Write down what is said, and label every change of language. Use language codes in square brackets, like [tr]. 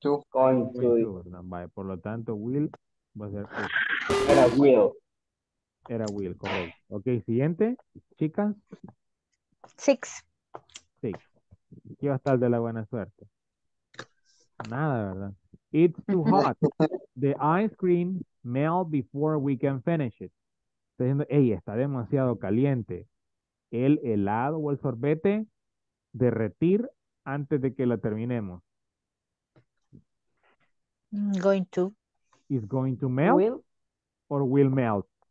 [en] Going to. Going to, [es] ¿verdad? Vale, por lo tanto, will va a ser. Era will. Era will, correcto. Ok, siguiente, chicas. [en] Six. [es] Sí. ¿Qué va a estar de la buena suerte? Nada, ¿verdad? [en] It's too hot. The ice cream melt before we can finish it. [es] Está diciendo, hey, está demasiado caliente. El helado o el sorbete derretir antes de que la terminemos. [en] Going to. Is going to melt. Will. Or will melt.